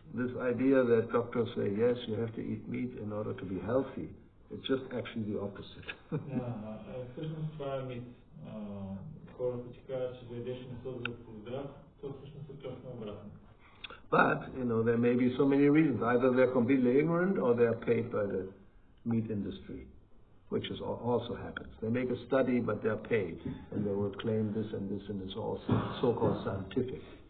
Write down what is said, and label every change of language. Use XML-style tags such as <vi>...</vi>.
<en>This idea that doctors say, yes, you have to eat meat in order to be healthy. It's just actually the opposite.</en> <bg>Всъщност това е мит. Хората ти кажат, че да ядеш месо за да си здрав, то всъщност е точно обратно.</bg> <en>But, you know, there may be so many reasons. Either they're completely ignorant or they're paid by the meat industry, which is also happens. They make a study, but they're paid, and they will claim this and this, and it's all so-called scientific.</en>